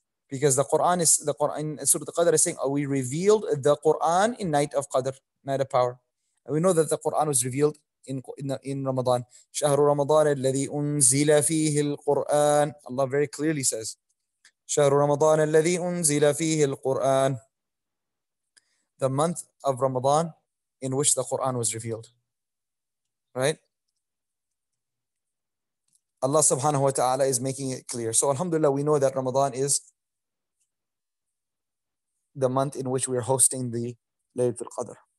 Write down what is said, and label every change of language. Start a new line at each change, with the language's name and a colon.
English: Because the Quran, Surah Al-Qadr is saying, oh, we revealed the Quran in night of Qadr, night of power. And we know that the Quran was revealed in Ramadan.
Arabic: شَهْرُ رَمَضَانَ الَّذِي أُنزِلَ فِيهِ الْقُرْآنِ.
English: Allah very clearly says,
Arabic: شَهْرُ رَمَضَانَ الَّذِي أُنزِلَ فِيهِ الْقُرْآنِ.
English: The month of Ramadan in which the Quran was revealed. Right? Allah subhanahu wa ta'ala is making it clear. So alhamdulillah, we know that Ramadan is the month in which we are hosting the Laylatul Qadr.